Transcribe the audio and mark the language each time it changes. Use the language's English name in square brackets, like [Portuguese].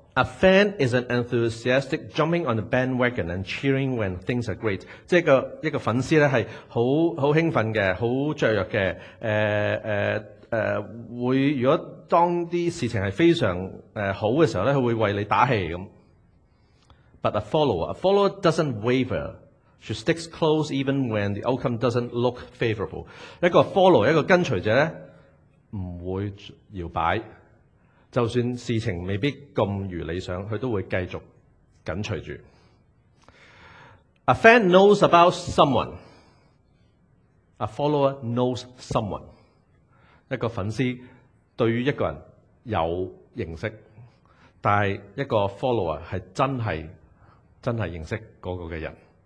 [English] A fan is an enthusiastic jumping on the bandwagon and cheering when things are great. [Cantonese] 即係一個粉絲咧，係好興奮嘅，好雀躍嘅。會如果當啲事情係非常好嘅時候咧，佢會為你打氣咁。 [English] But a follower doesn't waver. She sticks close even when the outcome doesn't look favourable. [Cantonese] 一個 follower 一個跟隨者咧，唔會搖擺。就算事情未必咁如理想，佢都會繼續緊隨住。 [English] A fan knows about someone. A follower knows someone. [Cantonese] 一個粉絲對於一個人有認識，但係一個 follower 係真係認識嗰個嘅人。